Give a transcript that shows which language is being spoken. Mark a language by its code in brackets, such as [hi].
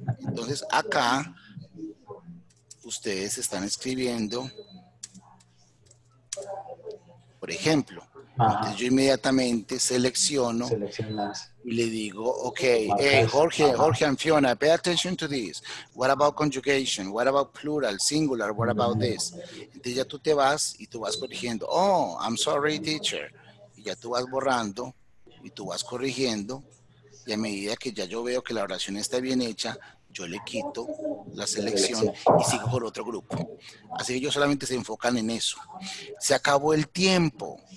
[es] Entonces, acá ustedes están escribiendo, por ejemplo, entonces yo inmediatamente selecciono y le digo, ok, [en] hey, Jorge, Jorge and Fiona, pay attention to this. What about conjugation? What about plural, singular? What about this? [es] Entonces ya tú te vas y tú vas corrigiendo. [en] Oh, I'm sorry, teacher. [es] Y ya tú vas borrando y tú vas corrigiendo. Y a medida que ya yo veo que la oración está bien hecha, yo le quito la selección y sigo por otro grupo. Así que ellos solamente se enfocan en eso. Se acabó el tiempo.